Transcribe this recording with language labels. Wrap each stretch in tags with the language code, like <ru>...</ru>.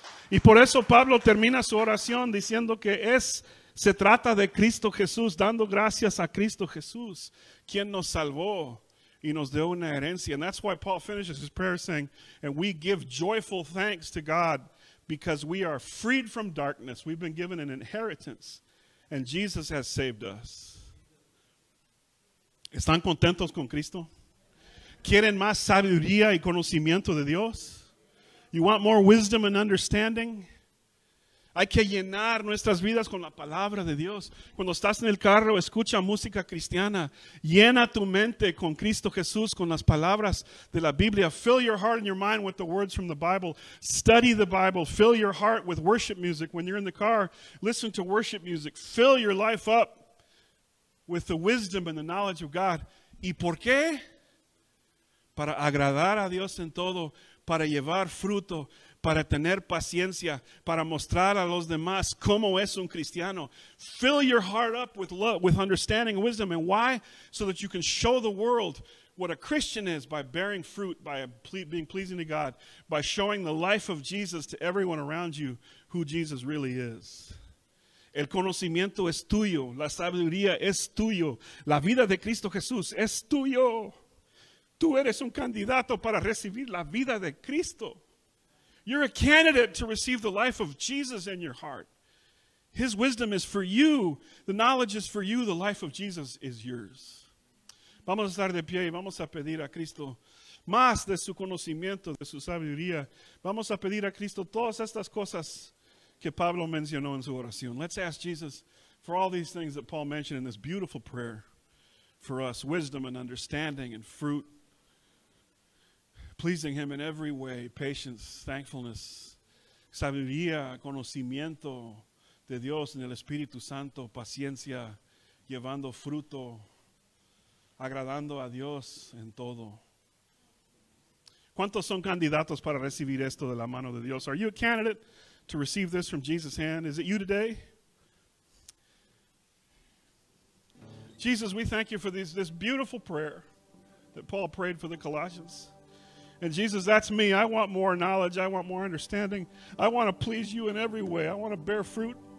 <es>Y por eso Pablo termina su oración diciendo que se trata de Cristo Jesús, dando gracias a Cristo Jesús, quien nos salvó y nos dio una herencia.</es> <en>And that's why Paul finishes his prayer saying, and we give joyful thanks to God because we are freed from darkness. We've been given an inheritance and Jesus has saved us.</en> <es>¿Están contentos con Cristo? ¿Quieren más sabiduría y conocimiento de Dios?</es> <en>You want more wisdom and understanding?</en> <es>Hay que llenar nuestras vidas con la palabra de Dios. Cuando estás en el carro, escucha música cristiana. Llena tu mente con Cristo Jesús, con las palabras de la Biblia.</es> <en>Fill your heart and your mind with the words from the Bible. Study the Bible. Fill your heart with worship music. When you're in the car, listen to worship music. Fill your life up with the wisdom and the knowledge of God.</en> <es>¿Y por qué? Para agradar a Dios en todo, para llevar fruto, para tener paciencia, para mostrar a los demás cómo es un cristiano.</es> <en>Fill your heart up with love, with understanding, wisdom. And why? So that you can show the world what a Christian is by bearing fruit, by being pleasing to God, by showing the life of Jesus to everyone around you who Jesus really is.</en> <es>El conocimiento es tuyo. La sabiduría es tuyo. La vida de Cristo Jesús es tuyo. Tú eres un candidato para recibir la vida de Cristo.</es> <en>You're a candidate to receive the life of Jesus in your heart. His wisdom is for you. The knowledge is for you. The life of Jesus is yours.</en> <es>Vamos a estar de pie y vamos a pedir a Cristo más de su conocimiento, de su sabiduría. Vamos a pedir a Cristo todas estas cosas que Pablo mencionó en su oración.</es> <en>Let's ask Jesus for all these things that Paul mentioned in this beautiful prayer for us. Wisdom and understanding and fruit. Pleasing him in every way, patience, thankfulness,</en> <es>sabiduría, conocimiento de Dios en el Espíritu Santo, paciencia, llevando fruto, agradando a Dios en todo. ¿Cuántos son candidatos para recibir esto de la mano de Dios?</es> <en>Are you a candidate to receive this from Jesus' hand? Is it you today? Jesus, we thank you for this beautiful prayer that Paul prayed for the Colossians. And Jesus, that's me. I want more knowledge. I want more understanding. I want to please you in every way. I want to bear fruit.</en>